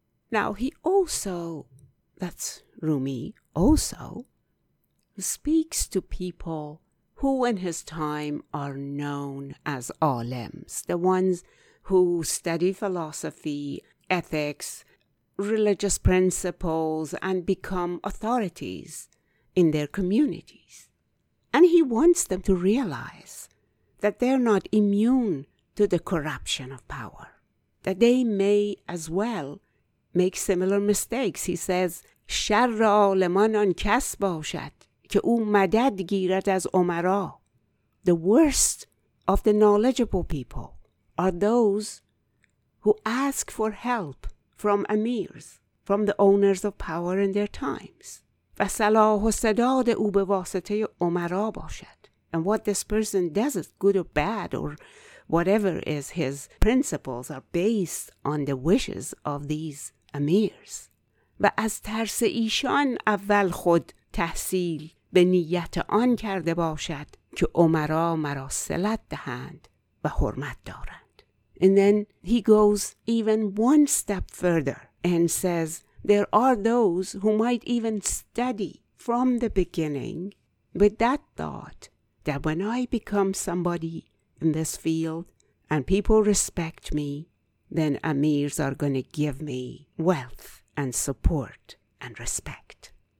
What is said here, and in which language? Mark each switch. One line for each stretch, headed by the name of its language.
English: Now, he also, that's Rumi, also speaks to people who in his time are known as alims, the ones who study philosophy, ethics, religious principles, and become authorities in their communities. And he wants them to realize that they're not immune to the corruption of power, that they may as well make similar mistakes. He says,
Persian: شر عالمان آن کس باشد که او مدد گیرد از عمرا.
English: The worst of the knowledgeable people are those who ask for help from emirs, from the owners of power in their times.
Persian: و صلاح و سداد او به واسطه عمرا باشد.
English: And what this person does is good or bad, or whatever is his principles are based on the wishes of these emirs.
Persian: و از ترس ایشان اول خود تحصیل به نیت آن کرده باشد که عمرا مرا صلت دهند و حرمت دارند.
English: And then he goes even one step further and says, there are those who might even study from the beginning with that thought that when I become somebody in this field and people respect me, then emirs are going to give me wealth and support and respect.